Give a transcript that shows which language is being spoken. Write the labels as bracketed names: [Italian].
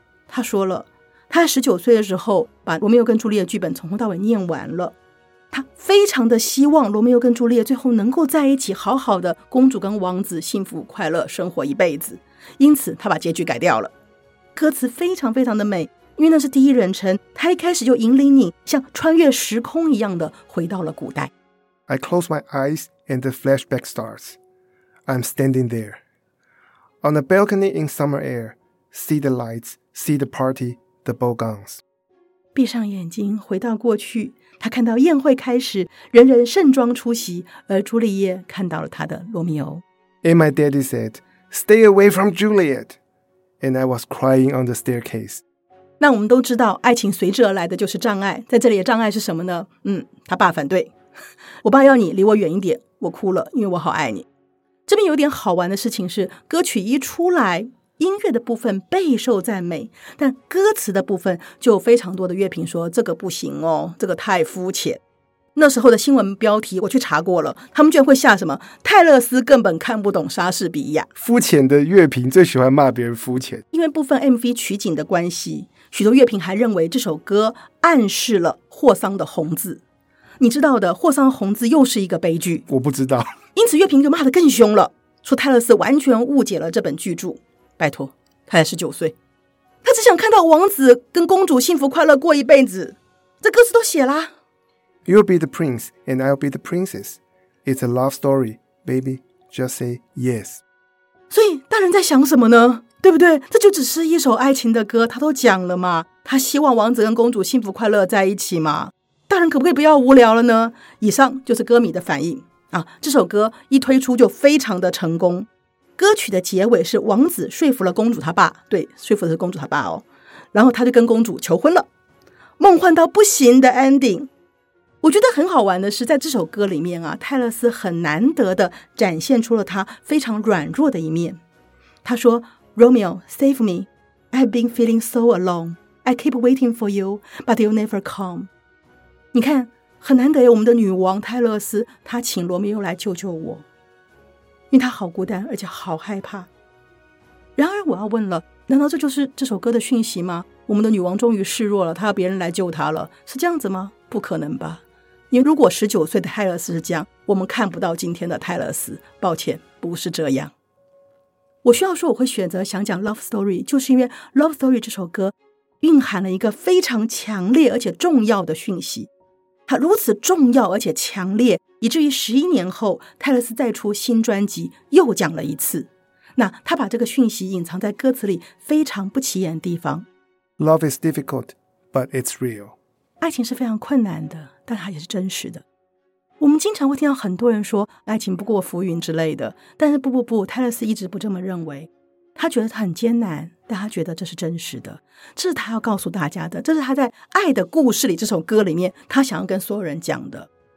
[Chinese] 他说了，他在19岁的时候把罗密欧跟朱丽叶剧本从头到尾念完了，他非常的希望罗密欧跟朱丽叶最后能够在一起，好好的公主跟王子幸福快乐生活一辈子，因此他把结局改掉了。歌词非常非常的美，因为那是第一人称，他一开始就引领你像穿越时空一样的回到了古代。 [English] I close my eyes and the flashback starts. I'm standing there on a balcony in summer air. See the lights, see the party, the bow guns. [Chinese] 闭上眼睛回到过去，他看到宴会开始，人人盛装出席，而朱丽叶看到了他的罗密欧。 [English] And my daddy said,Stay away from Juliet. And I was crying on the staircase. [Chinese] 那我们都知道爱情随之而来的就是障碍，在这里的障碍是什么呢？他爸反对。我爸要你离我远一点，我哭了，因为我好爱你。这边有点好玩的事情是，歌曲一出来，音乐的部分备受赞美，但歌词的部分就非常多的乐评说这个不行哦，这个太肤浅。那时候的新闻标题我去查过了，他们居然会下什么泰勒斯根本看不懂莎士比亚。肤浅的乐评最喜欢骂别人肤浅，因为部分 MV 取景的关系，许多乐评还认为这首歌暗示了霍桑的红字。你知道的，霍桑红字又是一个悲剧。我不知道。因此乐评就骂得更凶了，说泰勒斯完全误解了这本巨著。拜托，他才19岁，他只想看到王子跟公主幸福快乐过一辈子，这歌词都写啦。 [English] You'll be the prince and I'll be the princess. It's a love story, baby. Just say yes. [Chinese] 所以大人在想什么呢？对不对？这就只是一首爱情的歌，他都讲了嘛。他希望王子跟公主幸福快乐在一起嘛。大人可不可以不要无聊了呢？以上就是歌迷的反应啊。这首歌一推出就非常的成功。歌曲的结尾是王子说服了公主他爸，对，说服的是公主他爸哦。然后他就跟公主求婚了，梦幻到不行的 ending。我觉得很好玩的是，在这首歌里面啊，泰勒斯很难得的展现出了他非常软弱的一面。他说 [English] Romeo, save me. I've been feeling so alone. I keep waiting for you, but you never come. [Chinese] 你看，很难得我们的女王泰勒斯，她请罗密欧来救救我，因为她好孤单，而且好害怕。然而我要问了，难道这就是这首歌的讯息吗？我们的女王终于示弱了，她要别人来救她了，是这样子吗？不可能吧，因为如果19岁的泰勒斯是这样，我们看不到今天的泰勒斯，抱歉，不是这样。我需要说我会选择想讲 Love Story， 就是因为 Love Story 这首歌蕴含了一个非常强烈而且重要的讯息，它如此重要而且强烈，以至于11年后泰勒斯再出新专辑又讲了一次。那他把这个讯息隐藏在歌词里非常不起眼的地方。 [English] Love is difficult, but it's real. [Chinese] 爱情是非常困难的，但它也是真实的。我们经常会听到很多人说爱情不过浮云之类的，但是不，泰勒斯一直不这么认为。他觉得他很艰难，但他觉得这是真实的，这是他要告诉大家的，这是他在《爱的故事》里这首歌里面他想要跟所有人讲的。